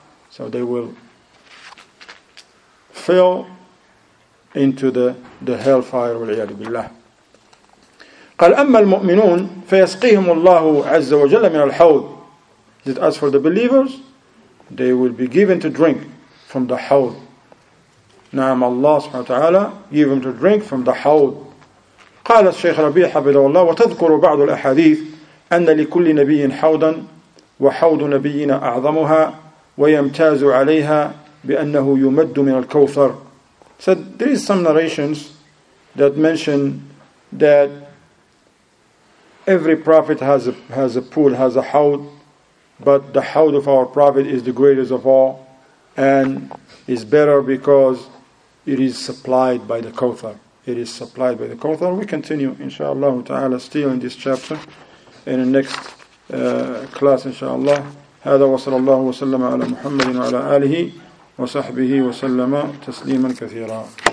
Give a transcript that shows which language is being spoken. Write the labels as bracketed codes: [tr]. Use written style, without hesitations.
[en] So they will fall into the hellfire. [ar] وَالْعِيَادُ بِاللَّهِ. قَالْ أَمَّا الْمُؤْمِنُونَ فَيَسْقِيهِمُ اللَّهُ عَزَّ وَجَلَّ مِنَ الْحَوْضِ. [en] That as for the believers, they will be given to drink from the hawd. Naam, Allah subhanahu wa ta'ala give them to drink from the hawd. [ar] قال الشيخ ربيع حفظه الله وتذكر بعض الأحاديث أن لكل نبي حوضا وحوض نبينا أعظمها ويمتاز عليها بأنه يمد من الكوثر. [en] So there is some narrations that mention that every prophet has a pool, has a hawd. But the hawd of our Prophet is the greatest of all and is better because it is supplied by the Kawthar. It is supplied by the Kawthar. We continue, inshallah ta'ala, still in this chapter in the next class, inshallah. [ar] هذا وصلى الله وسلم على محمد وعلى آله وصحبه وسلم تسليما كثيرا.